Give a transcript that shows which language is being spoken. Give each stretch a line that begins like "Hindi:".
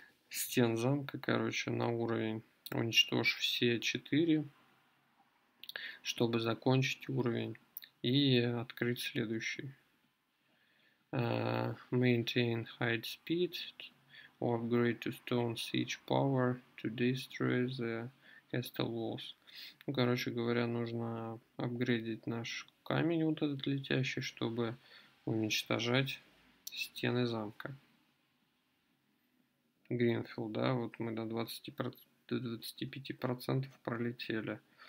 Russian: Стен замка, короче, на уровень. Уничтожь все 4, чтобы закончить уровень и открыть следующий.
English: Maintain high speed or upgrade to stone siege power to destroy the castle walls.
Russian: Ну, короче говоря, нужно апгрейдить наш камень вот этот летящий, чтобы уничтожать стены замка. Гринфилд, да, вот мы до 25% пролетели.